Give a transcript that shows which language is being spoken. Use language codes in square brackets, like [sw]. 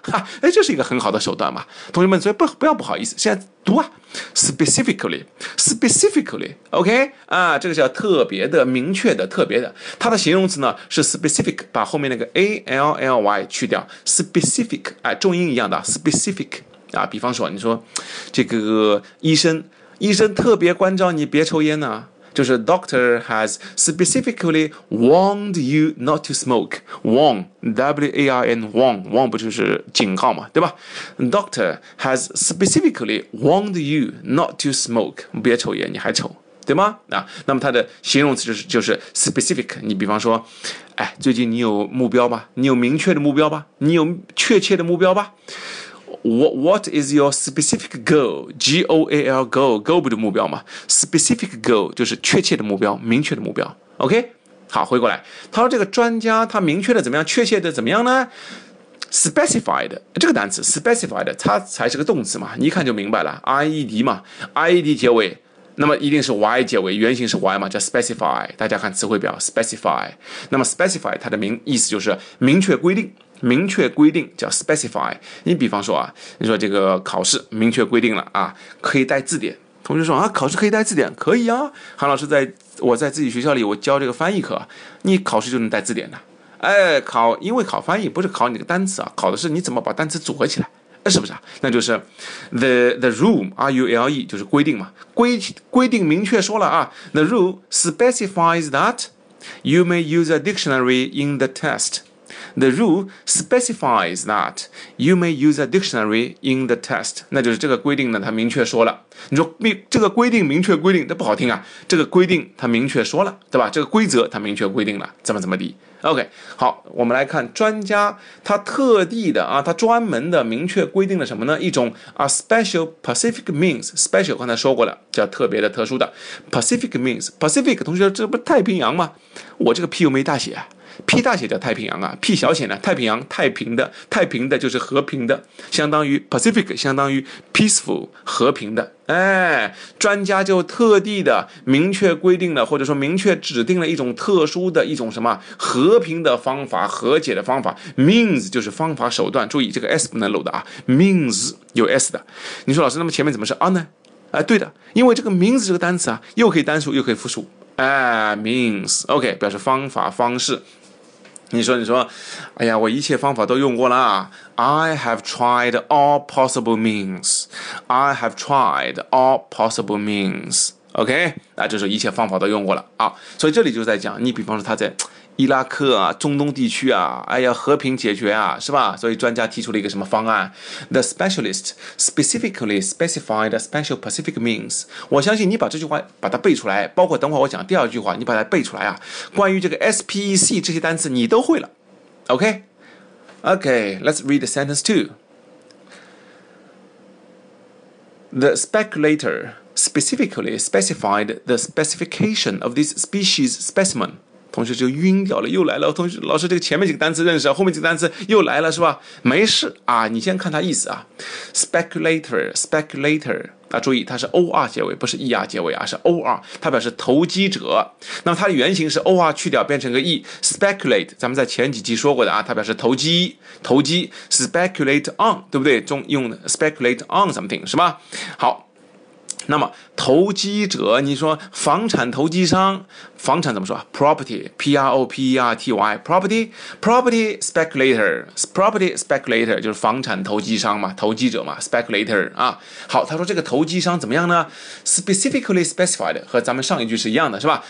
[zh] 哎，这是一个很好的手段嘛，同学们，所以不要不好意思，现在读啊， specifically, OK, 啊，这个叫特别的、明确的、特别的，它的形容词呢是 specific, 把后面那个 ally 去掉， specific, 哎，重音一样的 specific, 啊，比方说你说这个医生特别关照你别抽烟呢、啊。就是 [en] Doctor has specifically warned you not to smoke. [zh] Warn, W-A-R-N, warn, warn 不就是警告嘛，对吧？ [en] Doctor has specifically warned you not to smoke. [zh] 别抽烟，你还抽，对吗？啊，那么它的形容词就是 specific. 你比方说，哎，最近你有目标吗？你有明确的目标吗？你有确切的目标吗？ [en] What is your specific goal? G-O-A-L, goal, goal [zh] 不就目标吗？ Specific goal 就是确切的目标，明确的目标。 [en] OK? [zh] 好，回过来，他说这个专家他明确的怎么样，确切的怎么样呢？ Specified, 这个单词 Specified, 它才是个动词嘛，你一看就明白了， IED 嘛， IED 结尾，那么一定是 Y 结尾，原型是 Y 嘛，叫 Specify, 大家看词汇表 Specify, 那么 Specify 它的意思就是明确规定，明确规定叫 specify。你比方说啊，你说这个考试明确规定了啊，可以带字典，同学说啊，考试可以带字典，可以啊，韩老师我在自己学校里我教这个翻译课，你考试就能带字典的，哎，考，因为考翻译不是考你的单词啊，考的是你怎么把单词组合起来，是不是啊？那就是 the rule, R-U-L-E, 就是规定嘛， 规定明确说了啊， [en] the rule specifies that you may use a dictionary in the test,The rule specifies that you may use a dictionary in the test. [zh] 那就是这个规定呢，它明确说了。你说这个规定明确规定，这不好听啊。这个规定它明确说了，对吧？这个规则它明确规定了，怎么怎么地。 OK, 好，我们来看专家他特地的啊，他专门的明确规定了什么呢？一种啊 ，special pacific means special 刚才说过了，叫特别的、特殊的 pacific means pacific。同学，这不太平洋吗？我这个 P 又没大写。P 大写叫太平洋啊 ，P 小写呢？太平洋，太平的，太平的就是和平的，相当于 Pacific, 相当于 peaceful, 和平的，哎，专家就特地的明确规定了，或者说明确指定了一种特殊的一种什么和平的方法，和解的方法。 means 就是方法手段，注意这个 s 不能漏的啊， means 有 s 的。你说老师，那么前面怎么是 on 呢？哎，对的，因为这个 means 这个单词啊，又可以单数又可以复数。哎， means OK 表示方法方式。你说哎呀，我一切方法都用过了。 [en] I have tried all possible means. I have tried all possible means. [zh] OK， 那就是一切方法都用过了啊。所以这里就在讲，你比方说他在伊拉克啊，中东地区啊，哎呀，和平解决啊，是吧？所以专家提出了一个什么方案 [en] ？The specialist specifically specified a special Pacific means. [zh] 我相信你把这句话把它背出来，包括等会我讲第二句话，你把它背出来啊。关于这个 SPEC 这些单词你都会了。 [en] OK，Let's read the sentence too. The speculator specifically specified the specification of this species specimen. [zh] 同学就晕掉了，又来了。同学，老师，这个前面几个单词认识，后面几个单词又来了，是吧？没事啊，你先看它意思啊。Speculator， 啊，注意它是 OR 结尾，不是 ER 结尾啊，是 OR， 它表示投机者。那么它的原型是 OR 去掉变成个 E。Speculate， 咱们在前几期说过的啊，它表示投机。 Speculate on， 对不对？ 中用 speculate on something 是吧？好。那么投机者，你说房产投机商，房产怎么说 ？Property， P-R-O-P-E-R-T-Y， property， property speculator， property speculator 就是房产投机商嘛，投机者嘛， speculator 啊。好，他说这个投机商怎么样呢 ？Specifically specified 和咱们上一句是一样的，是吧？